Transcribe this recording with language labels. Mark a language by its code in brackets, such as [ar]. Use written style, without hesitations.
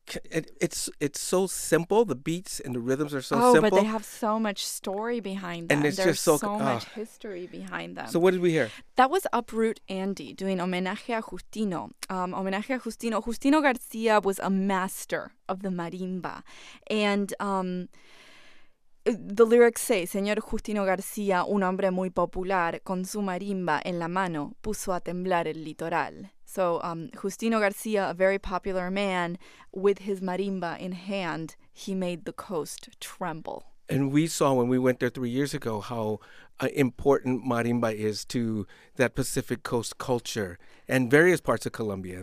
[en] It's so simple. The beats and the rhythms are so simple. Oh, but they have so much story behind them. And it's There's just so much history behind them. So what did we hear? That was Uproot Andy doing Homenaje a Justino. Homenaje a Justino. Justino Garcia was a master of the marimba. And the lyrics say, [es] Señor Justino Garcia, un hombre muy popular, con su marimba en la mano, puso a temblar el litoral. [en] So, Justino Garcia, a very popular man, with his marimba in hand, he made the coast tremble. And we saw when we went there 3 years ago how important marimba is to that Pacific Coast culture and various parts of Colombia.